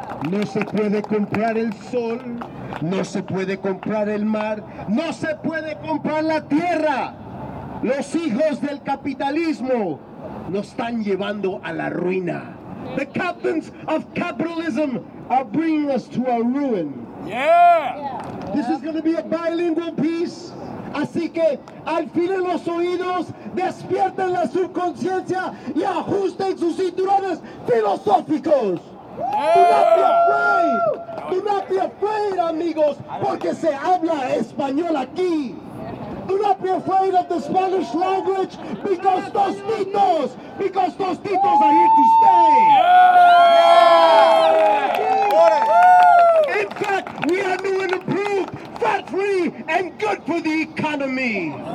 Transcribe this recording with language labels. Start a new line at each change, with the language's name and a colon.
Spanish: No se puede comprar el sol. No se puede comprar el mar. No se puede comprar la tierra. Los hijos del capitalismo nos están llevando a la ruina.
English: The captains of capitalism are bringing us to our ruin. This is going to be a bilingual piece.
Spanish: Así que, alfilen los oídos, despierten la subconsciencia y ajusten sus cinturones. filosóficos.
English: Yeah. Do not be afraid. Do not be afraid,
Spanish: amigos, porque se habla español aquí.
English: Do not be afraid of the Spanish language, because Tostitos are here to stay. In fact, we are new and improved, fat-free, and good for the economy.